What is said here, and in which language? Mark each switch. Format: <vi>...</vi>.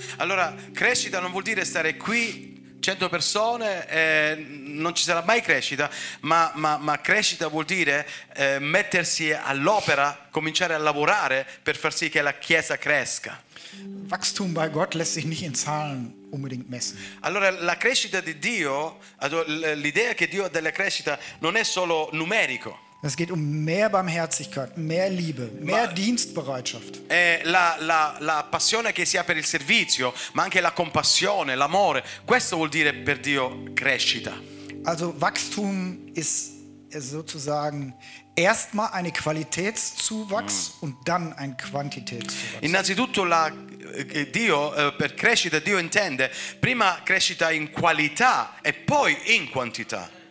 <it>Allora, crescita non vuol dire stare qui 100 persone, non ci sarà mai crescita, ma crescita vuol dire mettersi all'opera, cominciare a lavorare per far sì che la Chiesa cresca.</it> <de>Wachstum bei Gott lässt sich nicht in Zahlen unbedingt messen.</de> <it>Allora la crescita di Dio, also l'idea che Dio ha della crescita non è solo numerico.</it> <de>Es geht um mehr Barmherzigkeit, mehr Liebe, mehr Dienstbereitschaft.</de> <it>La passione che si ha per il servizio, ma anche la compassione, l'amore, questo vuol dire per Dio crescita.</it> <de>Also Wachstum ist sozusagen erstmal ein Qualitätszuwachs und dann ein Quantitätszuwachs.</de> <it>Innanzitutto Dio per crescita Dio intende prima crescita in qualità e poi in quantità.</it>